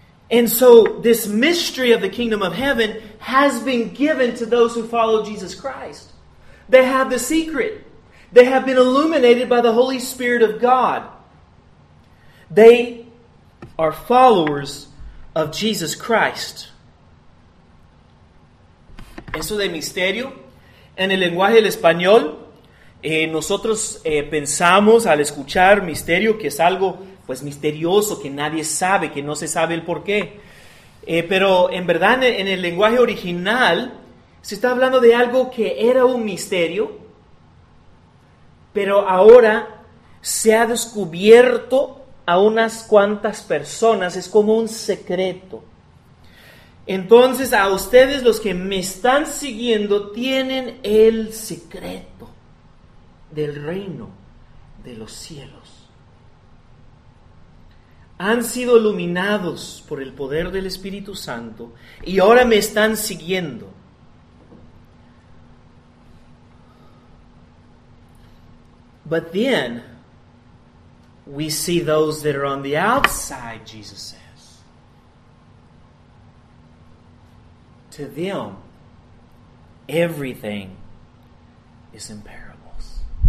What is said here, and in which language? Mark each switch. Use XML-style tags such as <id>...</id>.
<en>And so this mystery of the kingdom of heaven has been given to those who follow Jesus Christ. They have the secret. They have been illuminated by the Holy Spirit of God. They are followers of Jesus Christ.</en> <es>Eso de misterio, en el lenguaje del español, nosotros pensamos al escuchar misterio que es algo pues misterioso, que nadie sabe, que no se sabe el por qué. Pero en verdad, en el lenguaje original, se está hablando de algo que era un misterio, pero ahora se ha descubierto a unas cuantas personas. Es como un secreto. Entonces, a ustedes, los que me están siguiendo, tienen el secreto del reino de los cielos. Han sido iluminados por el poder del Espíritu Santo y ahora me están siguiendo.</es> <en>But then, we see those that are on the outside, Jesus says. To them, everything is in parables.</en>